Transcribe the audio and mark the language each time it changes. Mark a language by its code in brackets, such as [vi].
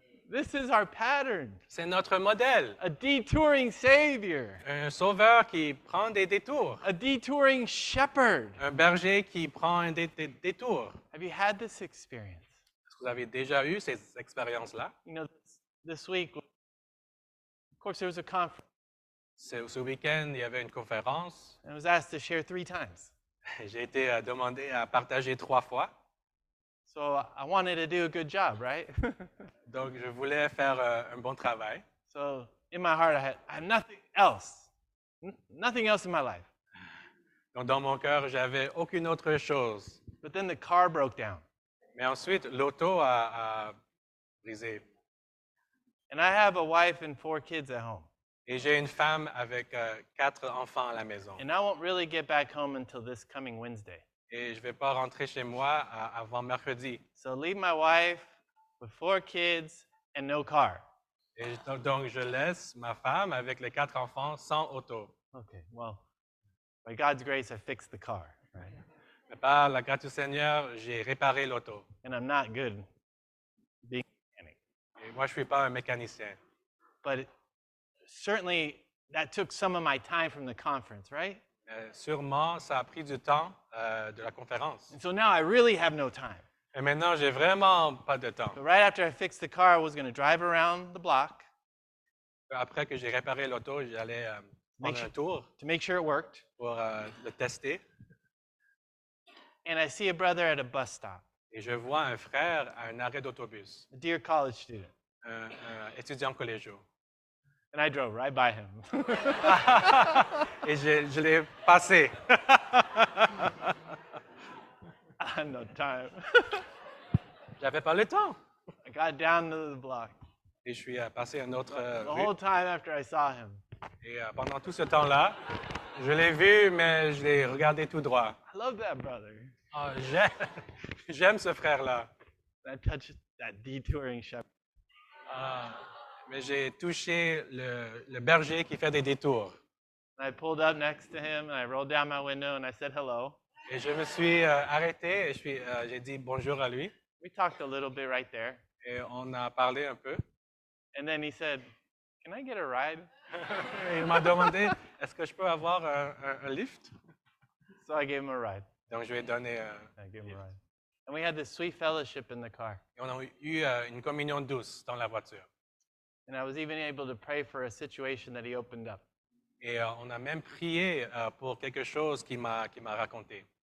[en] This is our pattern. [fr] C'est notre modèle. [en] A detouring savior. [fr] Un sauveur qui prend des détours. [en] A detouring shepherd. [fr] Un berger qui prend un détour. [en] Have you had this experience? [fr] Est-ce que vous avez déjà eu ces expériences là? [en] You know, this week, of course, there was a conference. [fr] Ce week-end, il y avait une conférence. [en] I was asked to share three times. [fr] J'ai été demandé à partager trois fois. [en] So I wanted to do a good job, right? [fr] Donc, je voulais faire un bon travail. [en] So in my heart, I had nothing else in my life. [fr] Donc, dans mon cœur, j'avais aucune autre chose. [en] But then the car broke down. [fr] Mais ensuite, l'auto a brisé. [en] And I have a wife and four kids at home. [fr] Et j'ai une femme avec quatre enfants à la maison. [en] And I won't really get back home until this coming Wednesday. [fr] Et je ne vais pas rentrer chez moi avant mercredi. [en] So leave my wife with four kids and no car. [fr] Et donc je laisse ma femme avec les quatre enfants sans auto. [en] Okay, well, by God's grace, I fixed the car, right? [fr] Mais par la grâce du Seigneur, j'ai réparé l'auto. [en] And I'm not good being a mechanic. [fr] Et moi, je suis pas un mécanicien. [en] But certainly, that took some of my time from the conference, right? [fr] Sûrement, ça a pris du temps de la conférence. [en] And so now I really have no time. [fr] Et maintenant, j'ai vraiment pas de temps. [en] But right after I fixed the car, I was going to drive around the block. [fr] Après que j'ai réparé l'auto, j'allais prendre un tour. [en] To make sure it worked. [fr] Pour le tester. [en] And I see a brother at a bus stop. [fr] Et je vois un frère à un arrêt d'autobus. [en] A dear college student. [fr] Un étudiant collégial. [en] And I drove right by him. [fr] Et je l'ai passé. [en] I had no time. [fr] J'avais pas le temps. [en] I got down to the block. [fr] Et je suis passé un autre rue. [en] The whole time after I saw him. [fr] Et pendant tout ce temps-là, je l'ai vu, mais je l'ai regardé tout droit. [en] I love that brother. [fr] Oh, j'aime ce frère-là. [en] That touched that detouring shepherd. [fr] Mais j'ai touché le berger qui fait des détours. [en] I pulled up next to him and I rolled down my window and I said hello. [fr] Et je me suis arrêté et j'ai dit bonjour à lui. [en] We talked a little bit right there. [fr] Et on a parlé un peu. [en] And then he said, "Can I get a ride?" [fr] Il m'a demandé, est-ce que je peux avoir un lift? [en] So I gave him a ride. [fr] Donc je lui ai donné un ride. [en] And we had this sweet fellowship in the car. [fr] Et on a eu une communion douce dans la voiture. [en] And I was even able to pray for a situation that he opened up. [fr] Et on a même prié pour quelque chose qu'il m'a raconté.